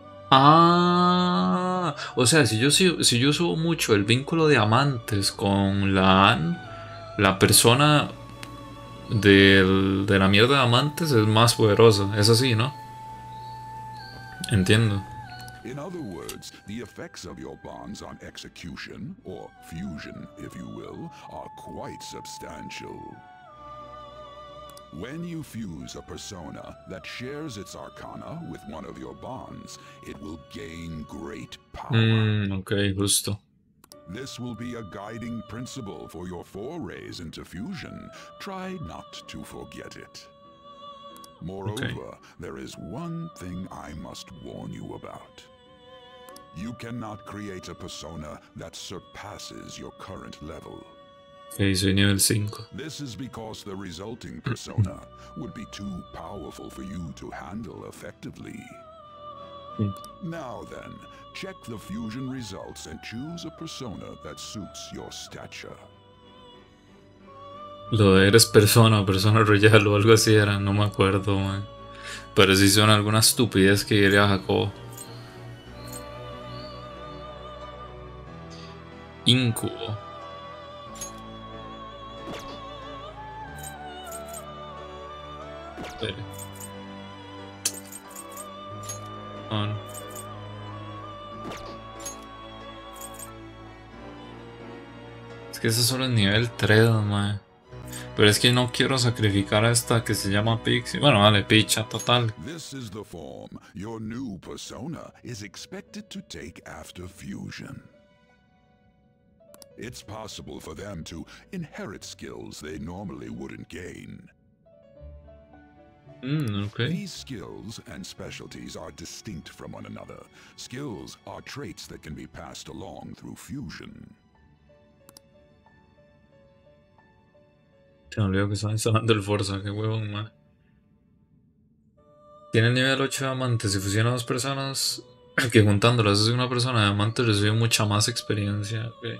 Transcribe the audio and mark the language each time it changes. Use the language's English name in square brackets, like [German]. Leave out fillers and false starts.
[Spanish] Ah, o sea, si yo subo mucho el vínculo de amantes con la Anne, la persona de la mierda de amantes es más poderosa, es así, ¿no? Entiendo. [English] In other words, the effects of your bonds on execution, or fusion, if you will, are quite substantial. When you fuse a persona that shares its arcana with one of your bonds, it will gain great power. [Spanish] Okay, justo. [English] This will be a guiding principle for your forays into fusion. Try not to forget it. Moreover, there is one thing I must warn you about. You cannot create a persona that surpasses your current level. [Spanish] Okay, soy nivel 5. [English] This is because the resulting persona would be too powerful for you to handle effectively. Now then, check the fusion results and choose a persona that suits your stature. [Spanish] Lo de eres persona o persona royal o algo así era, no me acuerdo, man. Pero sí son algunas estupidez que diría Jacobo. Incubo. Es que ese solo es nivel 3, mae. Pero es que no quiero sacrificar a esta que se llama Pixie. Bueno, vale, picha total. [English] This is the form your new persona is expected to take after fusion. It's possible for them to inherit skills they normally wouldn't gain. Okay. These skills and specialties are distinct from one another. Skills are traits that can be passed along through fusion. [Spanish] Te olvido que están instalando el Forza, qué huevón, man. Tiene el nivel 8 de amante. Si fusiona dos personas, que juntándolas es una persona de amante, recibe mucha más experiencia.